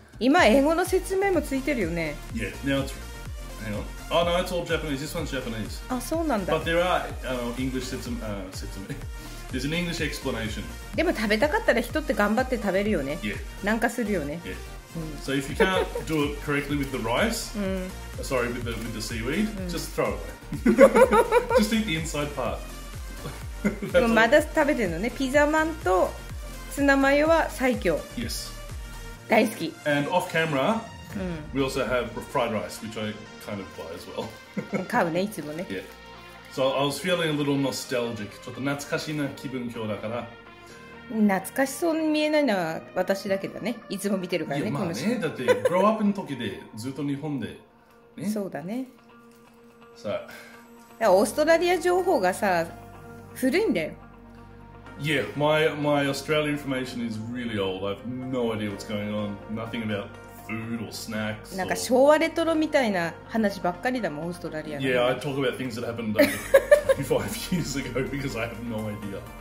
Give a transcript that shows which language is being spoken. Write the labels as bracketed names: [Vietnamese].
[Japanese] 今英語の説明もついてるよね [English] Yeah, now it's Hang on. Oh no, it's all Japanese. This one's Japanese. [Japanese] あ、そうなんだ。 [English] But there are English 説明。There's an English explanation. [Japanese] でも食べたかったら人って頑張って食べるよね。 [English] Yeah. [Japanese] なんかするよね。 [English] Yeah. So if you can't do it correctly with the rice, sorry, with the seaweed, just throw it away. Just eat the inside part. [Japanese] でもまだ食べてるのね。ピザマンとツナマヨは最強。 [English] Yes. [Japanese] 大好き。 [English] And off camera, we also have fried rice, which I kind of buy as well. [Japanese] 買うね、いつもね。 [English] Yeah. So I was feeling a little nostalgic. [Japanese] ちょっと懐かしいな気分今日だから。懐かしそうに見えないのは私だけだね。いつも見てるからね。まあね、だってグローアップの時でずっと日本で、ね。そうだね。さあ。オーストラリア情報がさ、古いんだよ。 [English] Yeah, my Australian information is really old. I have no idea what's going on. Nothing about food or snacks. [Japanese] なんか昭和レトロみたいな話ばっかりだもん、オーストラリアの。 [English] Yeah, I talk about things that happened like 25 years ago because I have no idea.